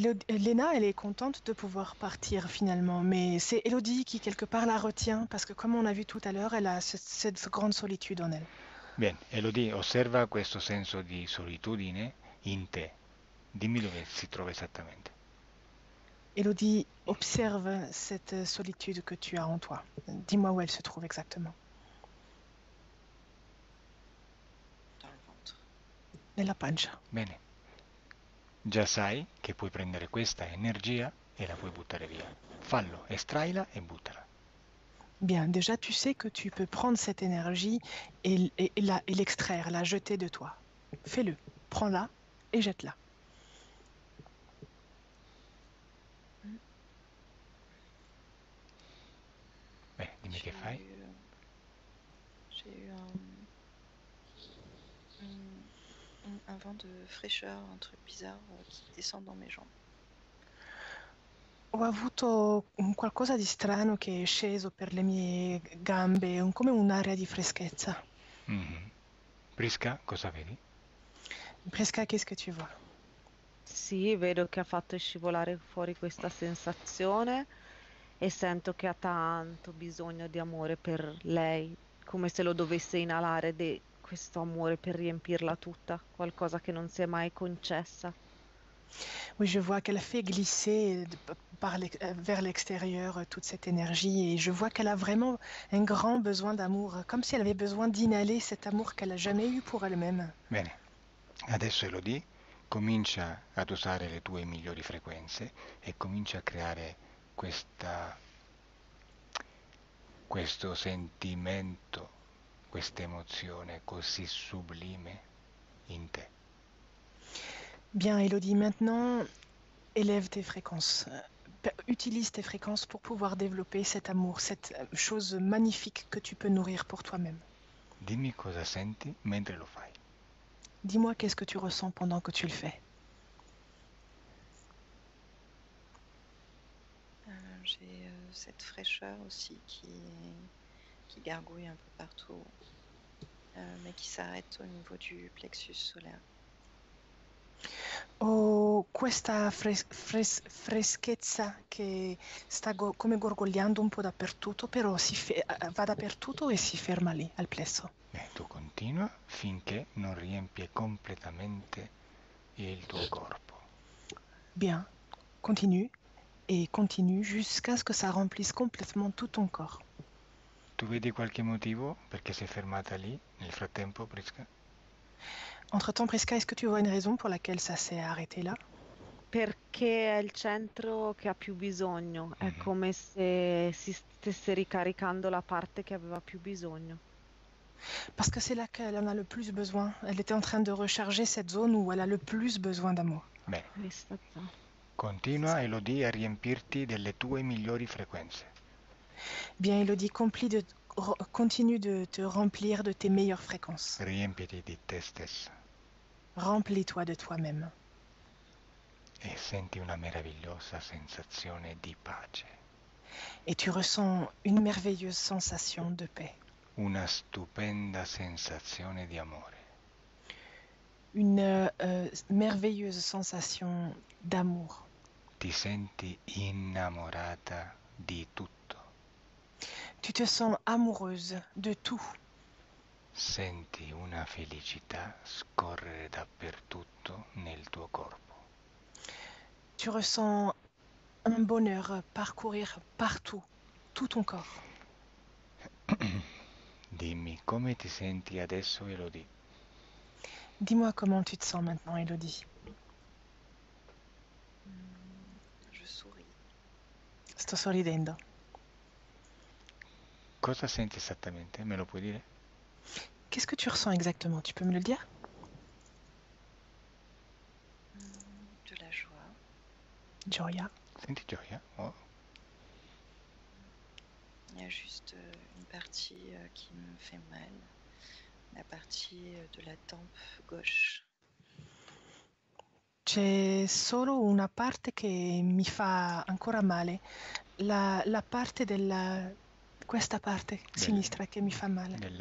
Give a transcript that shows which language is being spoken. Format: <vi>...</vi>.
<fr>Elena, elle est contente de pouvoir partir finalement, mais c'est Elodie qui quelque part la retient parce que, comme on a vu tout à l'heure, elle a cette grande solitude en elle.</fr> <it>Bene, Elodie, osserva questo senso di solitudine in te. Dimmi dove si trova esattamente.</it> <fr>Elodie, observe cette solitude que tu as en toi. Dis-moi où elle se trouve exactement.</fr> <it>Nella pancia. Bene. Già sai che puoi prendere questa energia e la puoi buttare via. Fallo, estraila e buttala.</it> <fr>Bien, déjà tu sais que tu peux prendre cette énergie et l'extraire, la jeter de toi. Fais-le, prends-la et jette-la.</fr> <it>Dimmi che fai.</it> <fr>J'ai eu un vent de fraîcheur, un truc bizarre qui descend dans mes jambes.</fr> <it>Ho avuto qualcosa di strano che è sceso per le mie gambe, come un'area di freschezza. Prisca, cosa vedi?</it> <fr>Prisca, qu'est-ce que tu vois?</fr> <it>Sì, vedo che ha fatto scivolare fuori questa sensazione e sento che ha tanto bisogno di amore per lei, come se lo dovesse inalare di questo amore per riempirla tutta, qualcosa che non si è mai concessa.</it> <fr>Oui, je vois qu'elle fait glisser vers l'extérieur toute cette énergie et je vois qu'elle a vraiment un grand besoin d'amour, comme si elle avait besoin d'inhaler cet amour qu'elle n'a jamais eu pour elle-même.</fr> <it>Bene, adesso Elodie, comincia ad usare le tue migliori frequenze e comincia a creare questo sentimento, questa emozione così sublime in te.</it> <fr>Bien, Elodie, maintenant élève tes fréquences. Utilise tes fréquences pour pouvoir développer cet amour, cette chose magnifique que tu peux nourrir pour toi-même.</fr> <it>Dimmi cosa senti mentre lo fai.</it> <fr>Dis-moi qu'est-ce que tu ressens pendant que tu le fais. J'ai cette fraîcheur aussi qui gargouille un peu partout, mais qui s'arrête au niveau du plexus solaire.</fr> <it>Questa freschezza che sta go come gorgogliando un po' dappertutto, però va dappertutto e si ferma lì, al plesso. Continua finché non riempie completamente il tuo corpo.</it> <fr>Bien, continue e continue jusqu'à ce che ça remplisse complètement tout ton corps.</fr> <it>Tu vedi qualche motivo perché sei fermata lì nel frattempo, Prisca?</it> <fr>Entretemps, Prisca, est-ce que tu vois une raison pour laquelle ça s'est arrêté là?</fr> <it>Perché è il centro che ha più bisogno, è come se si stesse ricaricando la parte che aveva più bisogno.</it> <fr>Parce que c'est là qu'elle en a le plus besoin. Elle était en train de recharger cette zone où elle a le plus besoin d'amour.</fr> <it>Questa zona. Continua, Elodie, a riempirti delle tue migliori frequenze.</it> <fr>Bien, Elodie, continue de te remplir de tes meilleures fréquences.</fr> <it>Riempiti di te stessa.</it> <fr>Remplis-toi de toi-même.</fr> <it>E senti una meravigliosa sensazione di pace.</it> <fr>Et tu ressens une merveilleuse sensation de paix.</fr> <it>Una stupenda sensazione di amore.</it> <fr>Une merveilleuse sensation d'amour.</fr> <it>Ti senti innamorata di tutto.</it> <fr>Tu te sens amoureuse de tout.</fr> <it>Senti una felicità scorrere dappertutto nel tuo corpo.</it> <fr>Tu ressens un bonheur parcourir partout, tout ton corps.</fr> <it>Dimmi, come ti senti adesso, Elodie?</it> <fr>Dis-moi comment tu te sens maintenant, Elodie. Je souris.</fr> <it>Sto sorridendo. Cosa senti esattamente? Me lo puoi dire?</it> <fr>Qu'est-ce que tu ressens exactement? Tu peux me le dire?</fr> <it>Gioia. Senti gioia? Oh.</it> <fr>Il y a juste une partie qui me fait mal, la partie de la tempe gauche.</fr> <it>C'è solo una parte che mi fa ancora male, la parte della, questa parte sinistra che mi fa male.</it>